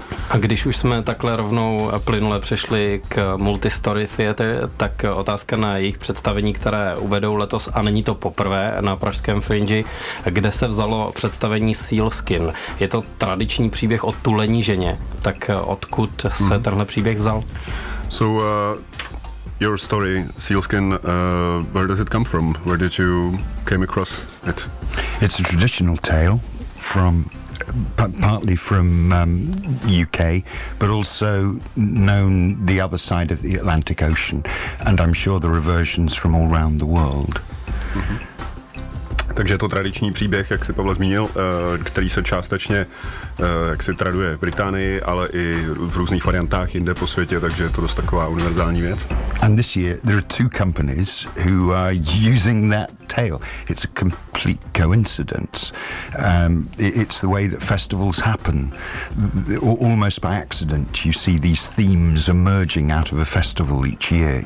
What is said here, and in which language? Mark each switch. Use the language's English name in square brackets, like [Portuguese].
[Czech] A když už jsme takhle rovnou plynule přešli k Multistory Theater, tak otázka na jejich představení, které uvedou letos, a není to poprvé na pražském Fringe, kde se vzalo představení Sealskin. Je to tradiční příběh o tulení ženě, tak odkud se tenhle příběh vzal? [English] So, your story, Sealskin, where does it come from? Where did you came across it? It's a traditional tale from partly from UK, but also known the other side of the Atlantic Ocean, and I'm sure there are versions from all around the world. [Czech] Takže je to tradiční příběh, jak si Pavel zmínil, který se částečně jak si traduje v Británii, ale i v různých variantách jinde po světě, takže je to dost taková univerzální věc. [English] And this year there are two companies who are using that tale. It's a complete coincidence. It's the way that festivals happen. Almost by accident you see these themes emerging out of a festival each year.